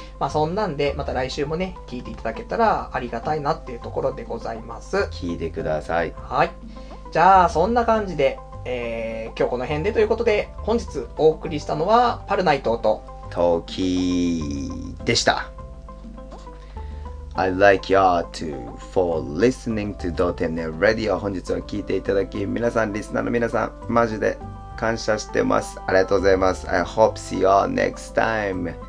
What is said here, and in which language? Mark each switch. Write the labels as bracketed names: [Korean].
[Japanese] まあ、そんなんでまた来週もね聞いていただけたらありがたいなっていうところでございます。聞いてください。はい、じゃあそんな感じで、今日この辺でということで、本日お送りしたのはパルナイトとトーキーでした。 [English] I'd like you to for listening to Dotenet Radio. [Japanese] 本日は聞いていただき、皆さん、リスナーの皆さん、マジで感謝してます。ありがとうございます。 [English] I hope see you all next time.